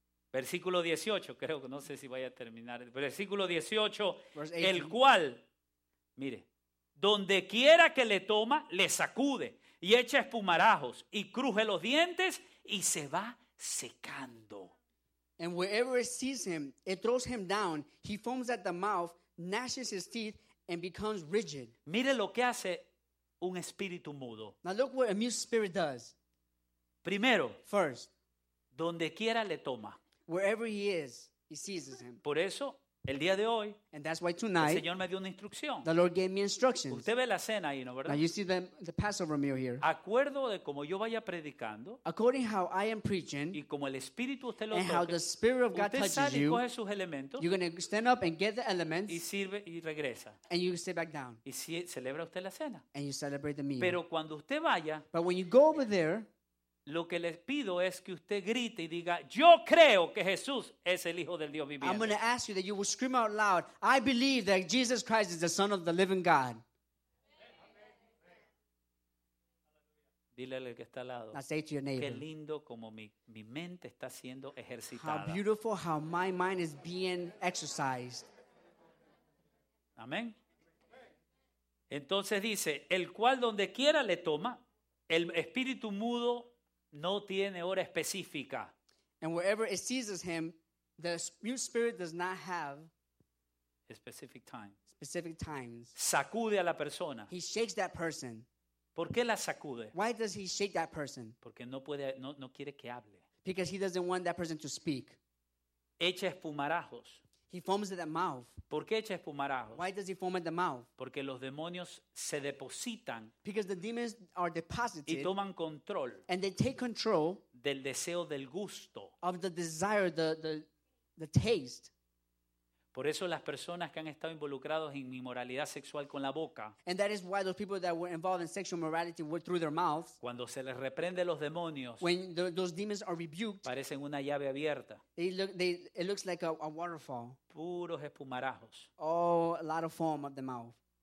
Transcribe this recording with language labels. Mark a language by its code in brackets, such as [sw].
[es] Versículo 18, creo que no sé si vaya a terminar. Versículo 18, el cual, mire, donde quiera que le toma, le sacude y echa espumarajos y cruje los dientes y se va secando. [en] And wherever it sees him, it throws him down. He foams at the mouth, gnashes his teeth, and becomes rigid. [es] Mire lo que hace un espíritu mudo. [en] Now look what a mute spirit does. [es] Primero, [en] first, [es] donde quiera le toma. [en] Wherever he is, he seizes him. [es] Por eso, el día de hoy, [en] and that's why tonight, [es] el Señor me dio una instrucción. [en] The Lord gave me instructions. [es] Usted ve la cena ahí, ¿no, verdad? [en] Now you see the Passover meal here. [es] Acuerdo de como yo vaya predicando, [en] according how I am preaching, [es] y como el Espíritu usted lo [en] and [es] toque, [en] how the Spirit of God [es] usted [en] touches [es] sale y coge [en] you, [es] sus elementos, [en] you're going to stand up and get the elements, [es] y sirve y regresa, [en] and you sit back down. [es] Y si, celebra usted la cena. [en] And you celebrate the meal. [es] Pero cuando usted vaya, [en] but when you go over there, [es] lo que les pido es que usted grite y diga, yo creo que Jesús es el Hijo del Dios viviente. [en] I'm going to ask you that you will scream out loud, I believe that Jesus Christ is the Son of the living God. [es] Dile al que está al lado. [en] I say to your neighbor. [es] Qué lindo como mi mente está siendo ejercitada. [en] How beautiful how my mind is being exercised. [es] Amén. Entonces dice, el cual donde quiera le toma, el espíritu mudo no tiene hora específica. [en] And wherever it seizes him, the mute spirit does not have a specific time. Specific times. [es] Sacude a la persona. [en] He shakes that person. [es] ¿Por qué la sacude? [en] Why does he shake that person? [es] Porque no puede, no quiere que hable. [en] Because he doesn't want that person to speak. [es] Echa espumarajos. [en] He foams at the mouth. [es] ¿Por qué echa espumarajos? [en] Why does he foam at the mouth? [es] Porque los demonios se depositan. [en] Because the demons are deposited. [es] Y toman control. [en] And they take control. [es] Del deseo del gusto. [en] Of the desire, the taste. [es] Por eso las personas que han estado involucrados en inmoralidad sexual con la boca. [en] And that is why those people that were involved in sexual morality were through their mouths. [es] Cuando se les reprende los demonios. [en] When those demons are rebuked. [es] Parecen una llave abierta. [en] It looks like a waterfall. [es] Puros espumarajos. [en] Oh, a lot of foam of the mouth.